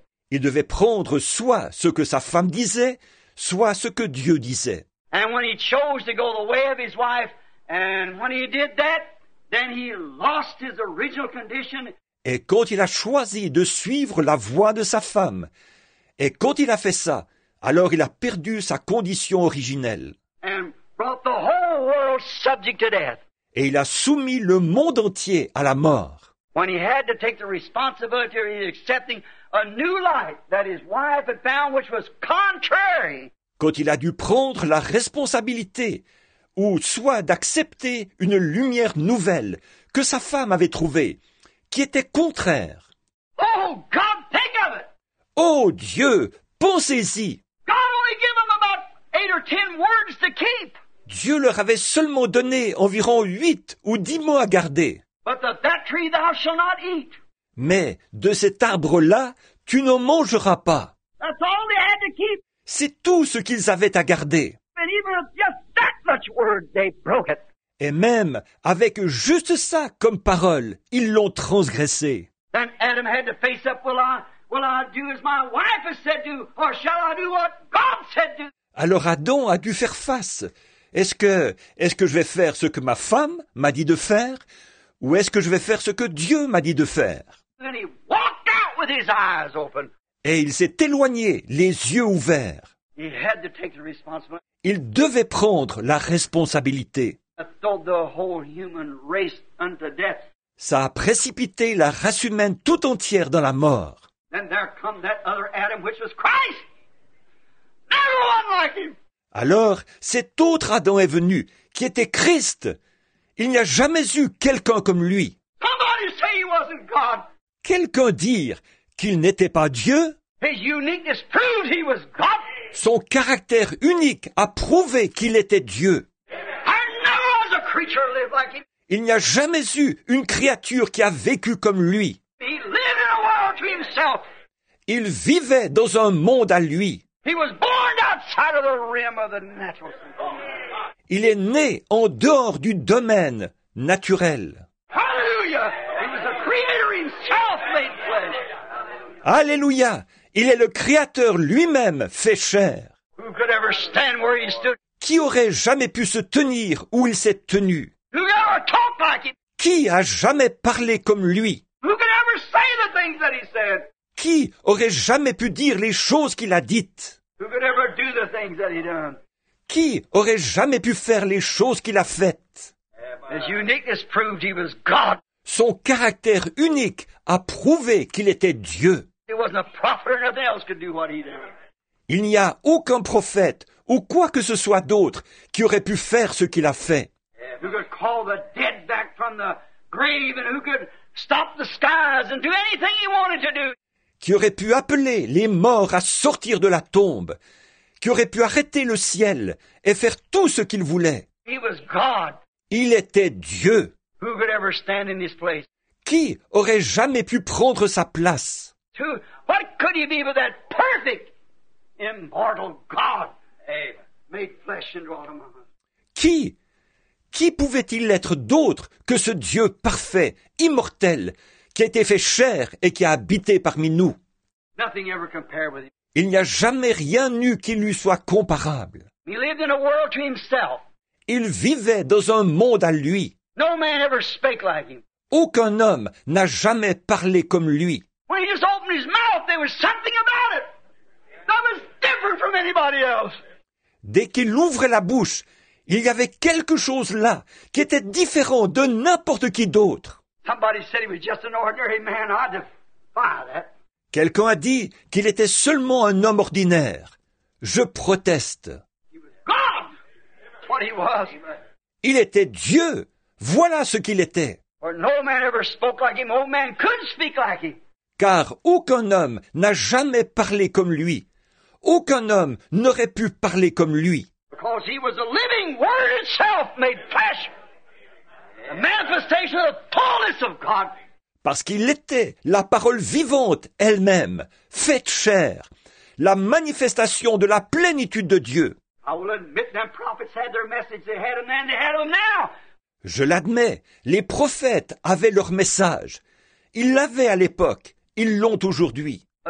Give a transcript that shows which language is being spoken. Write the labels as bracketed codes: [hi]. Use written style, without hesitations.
[fr] Il devait prendre soit ce que sa femme disait, soit ce que Dieu disait. [en] And when he chose to go the way of his wife, and when he did that, then he lost his original condition. [fr] Et quand il a choisi de suivre la voie de sa femme, et quand il a fait ça, alors il a perdu sa condition originelle. [en] And brought the whole world subject to death. [fr] Et il a soumis le monde entier à la mort. [en] When he had to take the responsibility of accepting a new life that his wife had found, which was contrary. [fr] Quand il a dû prendre la responsabilité ou soit d'accepter une lumière nouvelle que sa femme avait trouvée, qui était contraire. [en] Oh, God, think of it! [fr] Oh Dieu, pensez-y! [en] God only gave them about 8 or 10 words to keep. [fr] Dieu leur avait seulement donné environ 8 ou 10 mots à garder. [en] But of that tree thou shalt not eat. [fr] Mais de cet arbre-là, tu n'en mangeras pas. [en] That's all they had to keep. [fr] C'est tout ce qu'ils avaient à garder. [en] And even just that much word, they broke it. [fr] Et même avec juste ça comme parole, ils l'ont transgressé. [en] Then Adam had to face up, will I do as my wife has said to, or shall I do what God said to? [fr] Alors Adam a dû faire face. Est-ce que je vais faire ce que ma femme m'a dit de faire, ou est-ce que je vais faire ce que Dieu m'a dit de faire? [en] And he walked out with his eyes open. [fr] Et il s'est éloigné, les yeux ouverts. [en] He had to take the responsibility. [fr] Il devait prendre la responsabilité. [en] The whole human race unto death. [fr] Ça a précipité la race humaine tout entière dans la mort. [en] Then there come that other Adam, which was Christ. Never one like him. [fr] Alors, cet autre Adam est venu, qui était Christ. Il n'y a jamais eu quelqu'un comme lui. [en] Somebody say he wasn't God. [fr] Quelqu'un dire qu'il n'était pas Dieu. [en] His uniqueness proved he was God. [fr] Son caractère unique a prouvé qu'il était Dieu. [en] I never was a creature live like him. [fr] Il n'y a jamais eu une créature qui a vécu comme lui. [en] He lived in a world to himself. [fr] Il vivait dans un monde à lui. [en] He was born outside of the rim of the natural. [fr] Il est né en dehors du domaine naturel. Alléluia! [en] He was the creator himself made flesh. [fr] Alléluia! Il est le créateur lui-même fait chair. [en] Who could ever stand where he stood? [fr] Qui aurait jamais pu se tenir où il s'est tenu? [en] Who could ever talk like it? [fr] Qui a jamais parlé comme lui? [en] Who could ever say the things that he said? [fr] Qui aurait jamais pu dire les choses qu'il a dites? [en] Who could ever do the things that he done? [fr] Qui aurait jamais pu faire les choses qu'il a faites? [en] His uniqueness proved he was God. [fr] Son caractère unique a prouvé qu'il était Dieu. [en] There wasn't a prophet or nothing else could do what he did. [fr] Il n'y a aucun prophète ou quoi que ce soit d'autre qui aurait pu faire ce qu'il a fait. [en] Who could call the dead back from the grave, and who could stop the skies and do anything he wanted to do? [fr] Qui aurait pu appeler les morts à sortir de la tombe, qui aurait pu arrêter le ciel et faire tout ce qu'il voulait. [en] He was God. [fr] Il était Dieu. [en] Who could ever stand in his place? [fr] Qui aurait jamais pu prendre sa place? [en] What could he be but that perfect, immortal God, made flesh and dwelt among us? [fr] Qui pouvait-il être d'autre que ce Dieu parfait, immortel, qui a été fait chair et qui a habité parmi nous? [en] Nothing ever compared with him. [fr] Il n'y a jamais rien eu qui lui soit comparable. [en] He lived in a world to himself. [fr] Il vivait dans un monde à lui. [en] No man ever spake like him. [fr] Aucun homme n'a jamais parlé comme lui. [en] When he just opened his mouth, there was something about it that was different from anybody else. [fr] Dès qu'il ouvrait la bouche, il y avait quelque chose là qui était différent de n'importe qui d'autre. [en] Somebody said he was just an ordinary man. I defy that. [fr] Quelqu'un a dit qu'il était seulement un homme ordinaire. Je proteste. [en] He was God. What he was. [fr] Il était Dieu. Voilà ce qu'il était. [en] Or no man ever spoke like him. Old man couldn't speak like him. [fr] Car aucun homme n'a jamais parlé comme lui. Aucun homme n'aurait pu parler comme lui. [en] Because he was the living word itself made flesh. A manifestation of the fullness of God. [fr] Parce qu'il était la parole vivante elle-même, faite chair. La manifestation de la plénitude de Dieu. [en] I will admit them prophets had their message. They had them then, they had them now. [fr] Je l'admets, les prophètes avaient leur message. Ils l'avaient à l'époque. Ils l'ont aujourd'hui.